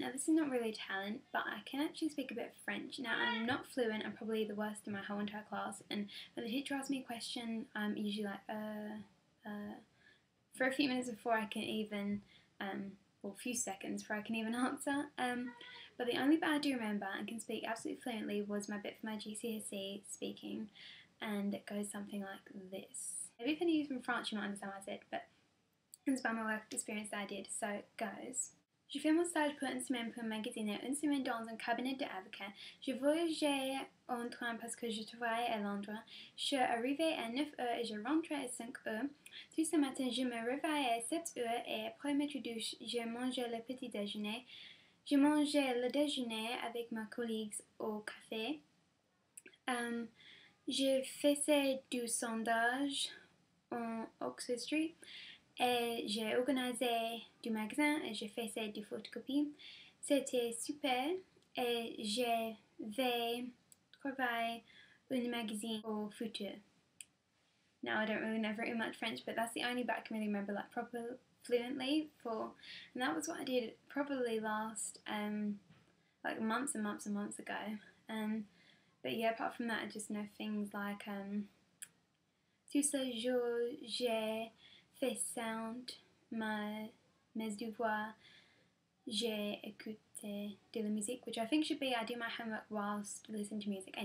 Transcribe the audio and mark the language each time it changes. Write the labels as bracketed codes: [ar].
[en] Now, this is not really a talent, but I can actually speak a bit of French. Now, I'm not fluent, I'm probably the worst in my whole entire class, and when the teacher asks me a question, I'm usually like, for a few minutes before I can even, a few seconds before I can even answer. But the only bit I do remember and can speak absolutely fluently was my bit for my GCSE speaking, and it goes something like this. Maybe if any of you from France, you might understand what I said, but it's by my work experience that I did, so it goes. [fr] Je fais mon stage pour une semaine pour un magazine et une semaine dans un cabinet d'avocat. Je voyage en train parce que je travaille à Londres. Je suis arrivée à 9h et je rentre à 5h. Tout ce matin, je me réveille à 7h et après ma douche, je mange le petit déjeuner. Je mange le déjeuner avec mes collègues au café. Je fais du sondage en Oxford Street. Et j'ai organisé du magasin et j'ai fait ça du photocopie. C'était super et je vais travailler un magazine au futur. [en] Now, I don't really know very much French, but that's the only bit I can really remember, like, properly, fluently for. And that was what I did probably last, like, months and months and months ago. But yeah, apart from that, I just know things like, [fr] tout ce jour, j'ai fait sound, mes devoirs, j'ai écouté de la musique, [en] which I think should be I do my homework whilst listening to music.